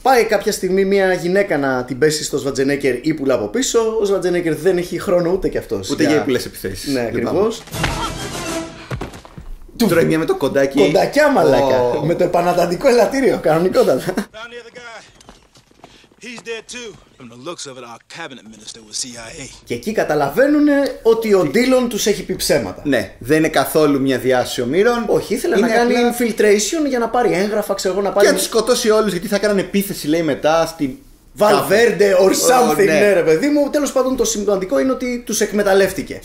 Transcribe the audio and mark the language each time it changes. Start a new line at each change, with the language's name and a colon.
Greek: Πάει κάποια στιγμή μια γυναίκα να την πέσει στο Σβαρτζενέγκερ ή πουλά από πίσω. Ο Σβαρτζενέγκερ δεν έχει χρόνο ούτε κι αυτός. Ούτε για ύπουλες επιθέσεις. Ναι, ακριβώς. του. Τρώει μία με το κοντάκι. Κοντακιά, μαλάκα. Oh. Με το επαναδαντικό ελαττήριο, κανονικότατα.
English: He's dead too. From the looks of it, our cabinet minister was CIA.
Greek: Και εκεί καταλαβαίνουν ότι ο Ντίλον τους έχει πει ψέματα. Ναι, δεν είναι καθόλου μια διάσηση ομήρων. Όχι, ήθελε να κάνει infiltration για να πάρει έγγραφα, ξέρω να πάρει. Και να τους σκοτώσει όλους, γιατί θα κάνανε επίθεση, λέει μετά στην.
English: Valverde or something,
Greek: ναι, ρε παιδί μου. Τέλος πάντων, το σημαντικό είναι ότι τους εκμεταλλεύτηκε.